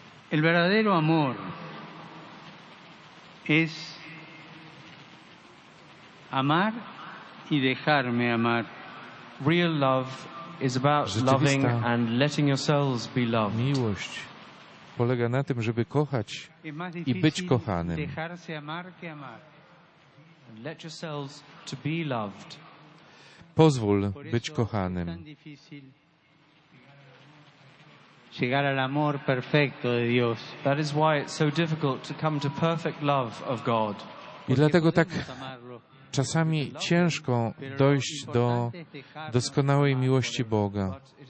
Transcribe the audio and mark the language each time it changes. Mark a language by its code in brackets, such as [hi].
[es] El verdadero amor es amar y dejarme amar. [en] Real love is about loving and letting yourselves be loved. [pl] Miłość polega na tym, żeby kochać i być kochanym. [es] Dejarse amar que amar. [en] And let yourselves to be loved. [pl] Pozwól być kochanym. [es] Llegar al amor perfecto de Dios. [en] That is why it's so difficult to come to perfect love of God. [pl] I dlatego tak czasami ciężko dojść do doskonałej miłości Boga.